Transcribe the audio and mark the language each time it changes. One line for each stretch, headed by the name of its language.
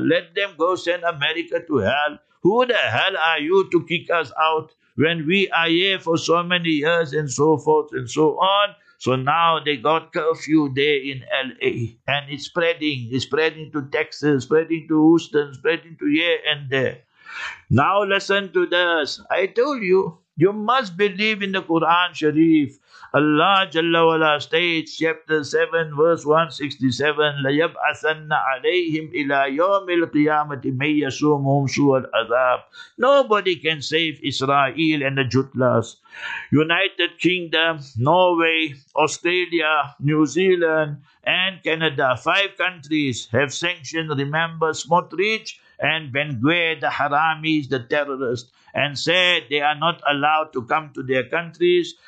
English: Let them go send America to hell. Who the hell are you to kick us out when we are here for so many years and so forth and so on? So now they got curfew there in L.A. And it's spreading. It's spreading to Texas, spreading to Houston, spreading to here and there. Now listen to this. I told you, you must believe in the Quran Sharif. Allah Jalla Wala states, chapter 7, verse 167,
Arabic: لَيَبْعَثَنَّ عَلَيْهِمْ إِلَىٰ يَوْمِ الْقِيَامَةِ مَنْ يَسُومُهُمْ سُوَ الْعَذَابِ.
English: Nobody can save Israel and the Jutlas. United Kingdom, Norway, Australia, New Zealand, and Canada. 5 countries have sanctioned, remember, Smotrich and Ben Gvir, the haramis, the terrorists, and said they are not allowed to come to their countries.